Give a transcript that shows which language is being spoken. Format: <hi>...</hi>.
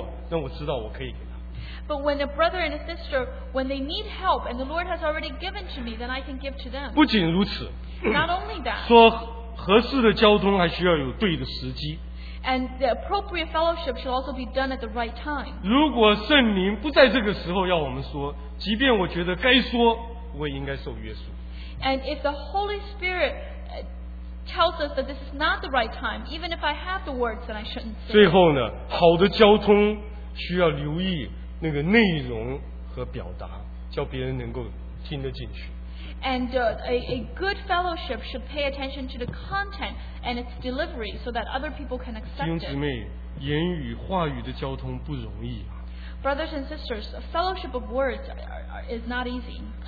<zh>当一个弟兄他的或者姊妹他的生命需要帮助的时候，主已经给了我，那我知道我可以给他。</zh> <en>But when a brother and a sister, when they need help and the Lord has already given to me, then I can give to them.</en> <zh>不仅如此,</zh> <en>not only that,</en> <zh>说合适的交通还需要有对的时机。</zh> <en>And the appropriate fellowship should also be done at the right time.</en> <zh>如果圣灵不在这个时候要我们说，即便我觉得该说，我也应该受约束。</zh> <en>And if the Holy Spirit tells us that this is not the right time, even if I have the words, then I shouldn't say.</en> <zh>最后呢，好的交通需要留意那个内容和表达，叫别人能够听得进去。</zh> <en>And a good fellowship should pay attention to the content and its delivery so that other people can accept it.</en> <zh>弟兄姊妹，言语话语的交通不容易啊。</zh> <en>Brothers and sisters, a fellowship of words is not easy.</en>